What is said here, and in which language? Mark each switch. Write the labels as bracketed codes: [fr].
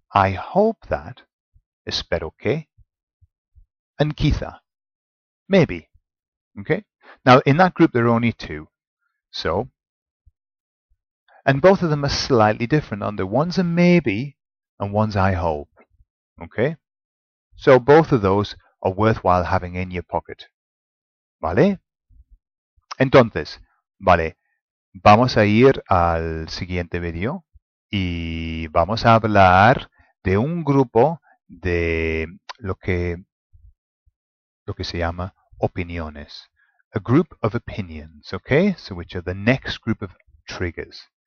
[en] I hope that, [es] espero que, [en] and quizá, maybe. Okay? Now, in that group, there are only two. So, and both of them are slightly different, aren't they? One's a maybe, and one's I hope. Okay? So, both of those are worthwhile having in your pocket. [es] ¿Vale? Entonces, vale, vamos a ir al siguiente video y vamos a hablar de un grupo de lo que se llama opiniones. [en] A group of opinions, okay? So which are the next group of triggers.